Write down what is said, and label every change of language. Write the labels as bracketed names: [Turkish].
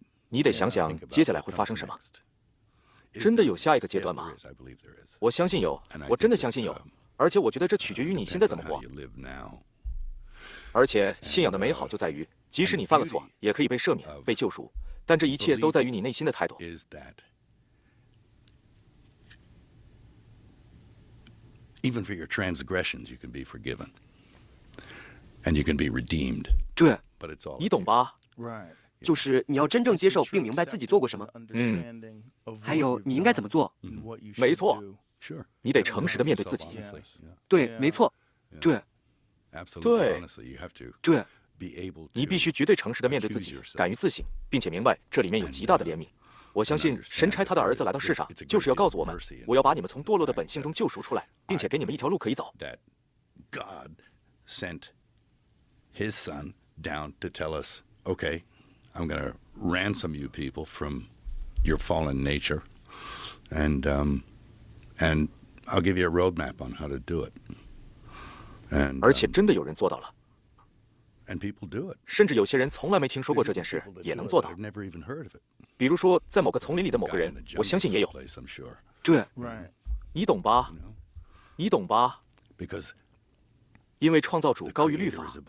[Chinese] 你得想想接下来会发生什么。真的有下一个阶段吗？我相信有，我真的相信有。而且我觉得这取决于你现在怎么活。而且信仰的美好就在于，即使你犯了错，也可以被赦免、被救赎。但这一切都在于你内心的态度。 [English] Even for your transgressions, you can be forgiven, and you can be redeemed. [Chinese] 对，你懂吧？就是你要真正接受并明白自己做过什么，嗯，还有你应该怎么做，嗯，没错，你得诚实地面对自己，对，没错，对，对，对，你必须绝对诚实地面对自己，敢于自省，并且明白这里面有极大的怜悯。我相信神差他的儿子来到世上，就是要告诉我们，我要把你们从堕落的本性中救赎出来，并且给你们一条路可以走。 [English] God sent His Son down to tell us, "Okay, I'm going to ransom you people from your fallen nature, and I'll give you a roadmap on how to do it." [Chinese] 而且真的有人做到了。 [English] And people do it. [Chinese] 甚至有些人从来没听说过这件事，也能做到。比如说在某个丛林里的某个人，我相信也有。对，你懂吧？你懂吧？因为创造主高于律法。